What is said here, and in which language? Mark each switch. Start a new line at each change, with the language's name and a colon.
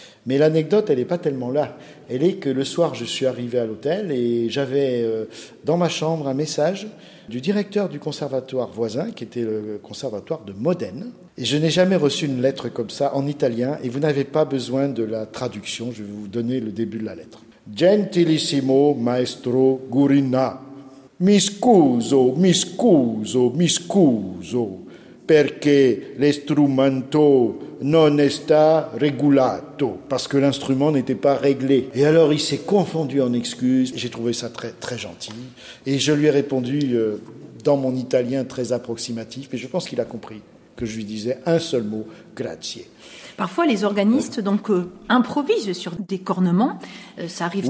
French: Mais l'anecdote, elle n'est pas tellement là. Elle est que le soir, je suis arrivé à l'hôtel et j'avais dans ma chambre un message du directeur du conservatoire voisin, qui était le conservatoire de Modène. Et je n'ai jamais reçu une lettre comme ça en italien, et vous n'avez pas besoin de la traduction, je vais vous donner le début de la lettre.
Italian: Gentilissimo maestro Gurina, mi scuso, perché l'estrumento non sta regolato.
French: Parce que l'instrument n'était pas réglé. Et alors il s'est confondu en excuses, j'ai trouvé ça très, très gentil, et je lui ai répondu dans mon italien très approximatif, mais je pense qu'il a compris que je lui disais un seul mot, grazie. Parfois les organistes improvisent sur des cornements, ça arrive